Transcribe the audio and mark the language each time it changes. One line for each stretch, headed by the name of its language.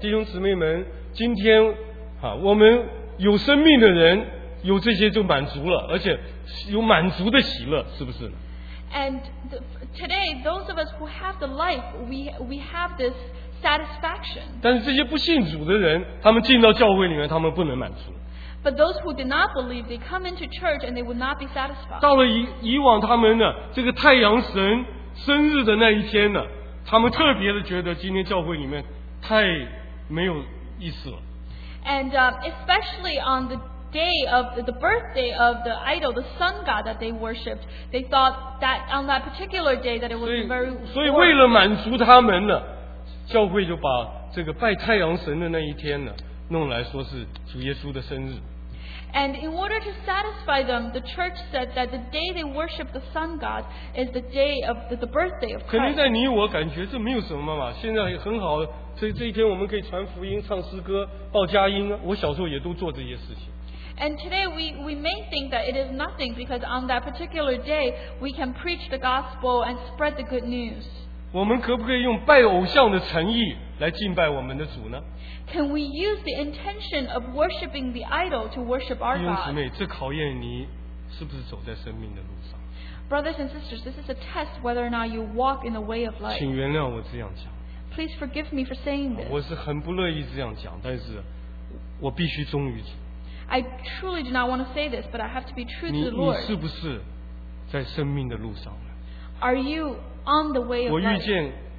Chinese: 弟兄姊妹们, 今天, 我们有生命的人, 有这些就满足了, 而且有满足的喜乐, 是不是?
English: And today, those of us who have the life, we have this satisfaction.
Chinese: 但是这些不信主的人, 他们进到教会里面, 他们不能满足。
English: But those who did not believe, they come into church and they would not be satisfied.
Chinese: 到了以往他们呢, 这个太阳神生日的那一天呢, 他们特别的觉得今天教会里面太没有意思了。
English: And especially on the day of the birthday of the idol, the sun god that they worshipped, they thought that on that particular day that it was very warm.
Chinese: 所以为了满足他们呢, 教会就把这个拜太阳神的那一天呢, 弄来说是主耶稣的生日。
English: And in order to satisfy them, the church said that the day they worship the sun god is the day of the birthday of Christ.
Chinese: 可能在你我感觉这没有什么嘛, 现在很好, 这一天我们可以传福音,唱诗歌, 报佳音啊, 我小时候也都做这些事情。
English: And today we may think that it is nothing because on that particular day, we can preach the gospel and spread the good news.
Chinese: 我们可不可以用拜偶像的诚意来敬拜我们的主呢?
English: Can we use the intention of worshipping the idol to worship our God?
Chinese: 弟兄姊妹, 这考验你是不是走在生命的路上。
English: Brothers and sisters, this is a test whether or not you walk in the way of life.
Chinese: 请原谅我这样讲。
English: Please forgive me for saying this.
Chinese: 我是很不乐意这样讲, 但是我必须忠于主。
English: I truly do not want to say this, but I have to be true to the Lord.
Chinese: 你是不是在生命的路上?
English: Are you on the way of life?